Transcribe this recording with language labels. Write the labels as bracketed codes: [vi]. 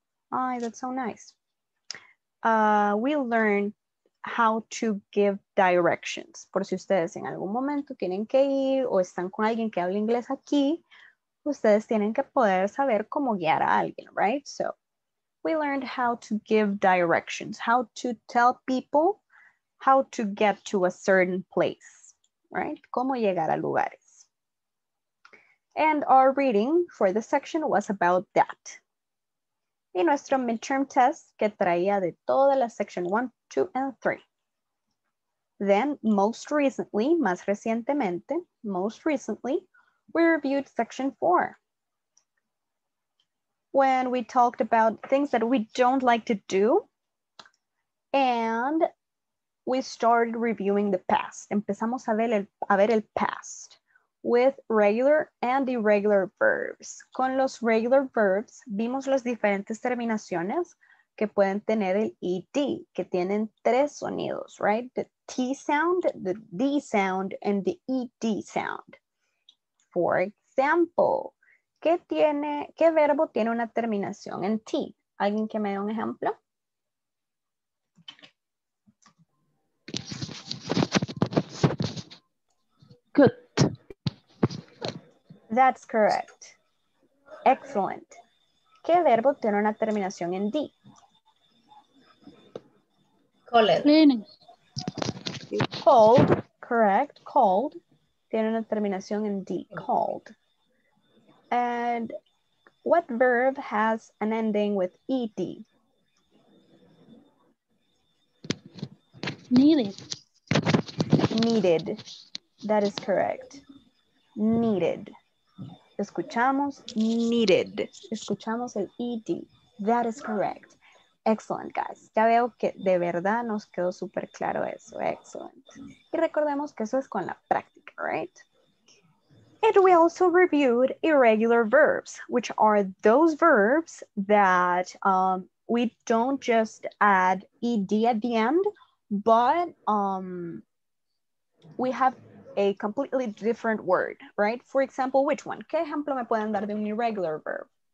[en] Ay, that's so nice. We learned how to give directions. [es] Por si ustedes en algún momento tienen que ir o están con alguien que habla inglés aquí, ustedes tienen que poder saber cómo guiar a alguien, [en] right? So we learned how to give directions, how to tell people how to get to a certain place. Right? [es] Cómo llegar a lugares. [en] And our reading for the section was about that. [es] Y nuestro midterm test que traía de toda la section 1, 2, and 3. [en] Then, most recently, [es] más recientemente, [en] most recently, we reviewed section 4. When we talked about things that we don't like to do, and we started reviewing the past. [es] Empezamos a ver el past with regular and irregular verbs. Con los regular verbs, vimos las diferentes terminaciones que pueden tener el ed, que tienen tres sonidos, [en] right? The T sound, the D sound, and the ed sound. For example, [es] ¿qué verbo tiene una terminación en T? ¿Alguien que me dé un ejemplo? [en] Good. That's correct. Excellent. [es] ¿Qué verbo tiene una terminación en D? Cold. [en] Correct. [es] Cold. Tiene una terminación en D. Cold. [en] And what verb has an ending with ED? Needed. That is correct. Needed. [es] Escuchamos [en] needed. [es] Escuchamos el ed. [en] That is correct. Excellent, guys. [es] Ya veo que de verdad nos quedó súper claro eso. [en] Excellent. [es] Y recordemos que eso es con la práctica, [en] right? And we also reviewed irregular verbs, which are those verbs that we don't just add ed at the end, but we have a completely different word, right? For example, which one? [es] ¿Qué ejemplo me pueden dar de un irregular verb?